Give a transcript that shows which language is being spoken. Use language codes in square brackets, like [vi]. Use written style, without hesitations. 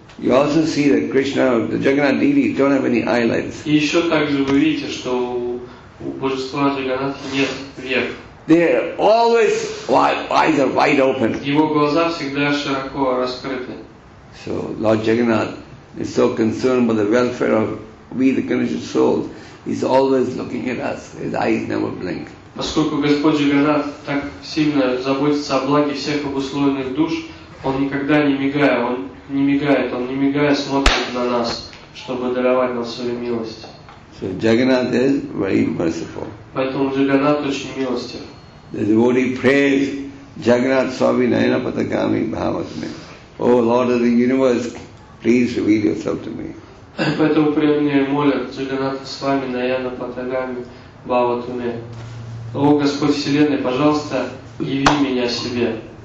[en] You also see that Krishna, the Jagannath Devi, don't have any eyelids. [ru] И еще также вы видите, что у божества Джагнатхи нет век. [en] They are always eyes are wide open. [ru] Его глаза всегда широко раскрыты. [en] So Lord Jagannath is so concerned about the welfare of we, the conditioned souls. He's always looking at us. His eyes never blink. [ru] Поскольку Господь Джагнатх так сильно заботится о благе всех обусловленных душ, он никогда не мигает. Он не мигая смотрит на нас, чтобы даровать нам свою милость. [en] So Jagannath is very merciful. [ru] Поэтому Джагнат очень милостив. [en] The devotee prays, Jagannath Swami Naina Patagami Bhavatme. O Lord of the universe, please reveal yourself to me. [ru] Поэтому преданные молят Джагнат Свами Наяна Патагами Бхаватме. О Господь Вселенной, пожалуйста, яви меня себе.